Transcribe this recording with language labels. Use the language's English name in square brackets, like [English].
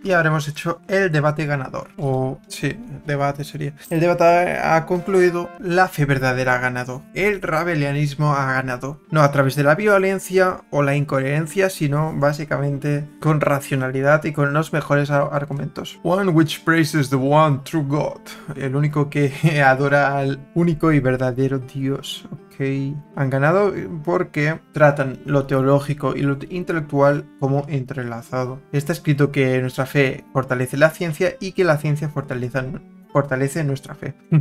[Spanish] Y habremos hecho el debate ganador. O sí, debate sería. El debate ha concluido. La fe verdadera ha ganado. El rabelianismo ha ganado. No a través de la violencia o la incoherencia, sino básicamente con racionalidad y con los mejores argumentos. [English] One which praises the one true God. [Spanish] El único que adora al único y verdadero Dios. Ok. Han ganado porque tratan lo teológico y lo intelectual como entrelazado. Está escrito que nuestra fe fortalece la ciencia y que la ciencia fortalece nuestra fe.